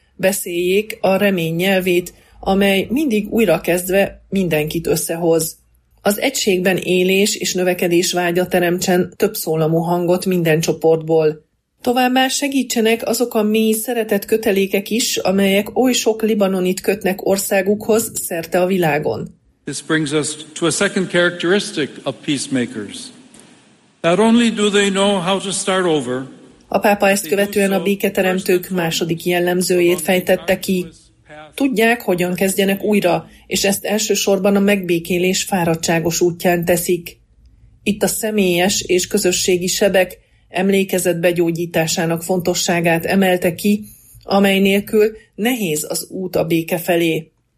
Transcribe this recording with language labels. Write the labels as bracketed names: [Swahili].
[Hungarian] Beszéljék a remény nyelvét, amely mindig újrakezdve mindenkit összehoz. Az egységben élés és növekedés vágya teremtsen több szólamú hangot minden csoportból. Továbbá segítsenek azok a mély szeretett kötelékek is, amelyek oly sok libanonit kötnek országukhoz szerte a világon. [English] This brings us to a second characteristic of peacemakers. Not only do they know how to start over. [Hungarian] A pápa ezt követően a béketeremtők második jellemzőjét fejtette ki. Tudják, hogyan kezdjenek újra, és ezt elsősorban a megbékélés fáradtságos útján teszik. Itt a személyes és közösségi sebek emlékezet begyógyításának fontosságát emelte ki, amely nélkül nehéz az út a béke felé.